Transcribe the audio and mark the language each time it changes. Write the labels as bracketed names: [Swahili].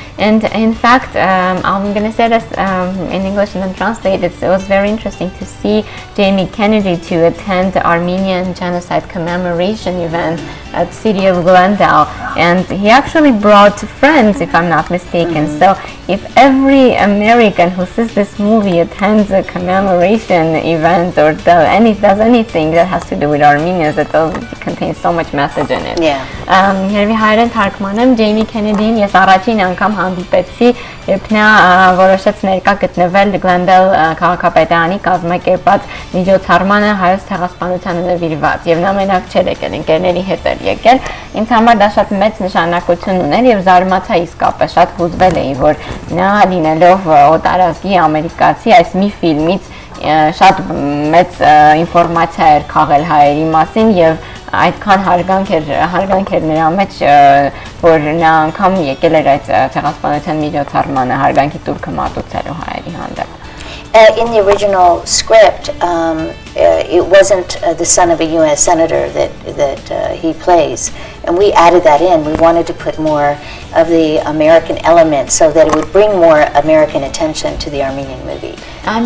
[English] And in fact, I'm going to say this in English and then translate, it was very interesting to see Jamie Kennedy to attend the Armenian Genocide Commemoration event at the city of Glendale, and he actually brought friends, if I'm not mistaken, mm-hmm. so if every American who sees this movie attends a commemoration event or does anything that has to do with Armenians, it contains so much message in it. Yeah. [Armenian] Երևի հայերեն թարգմանեմ, Ջեյմի Քենեդին ես առաջին անգամ հանդիպեցի, երբ նա որոշեց ներկա գտնվել Գլենդել քաղաքապետարանի կազմակերպած միջոցառմանը հայոց ցեղասպանության նվիրված, եւ նա մենակ չէր եկել, ընկերների հետ էր եկել, ինձ համար դա շատ մեծ նշանակություն ուներ եւ զարմացա իսկապես, շատ հուզվել էի, որ նա լինելով օտարազգի ամերիկացի այս մի ֆիլմից շատ մեծ ինֆորմացիա էր քաղել հայերի մասին եւ այդքան հարգանք էր նրա մեջ, որ նա անգամ եկել էր այդ ցեղասպանության միջոցառմանը հարգանքի տուրքը մատուցելու հայերի հանդեպ [English] In the original script, it wasn't the son of a U.S. senator that he plays, and we added that in. We wanted to put more of the American element so that it would bring more American attention to the Armenian movie. I'm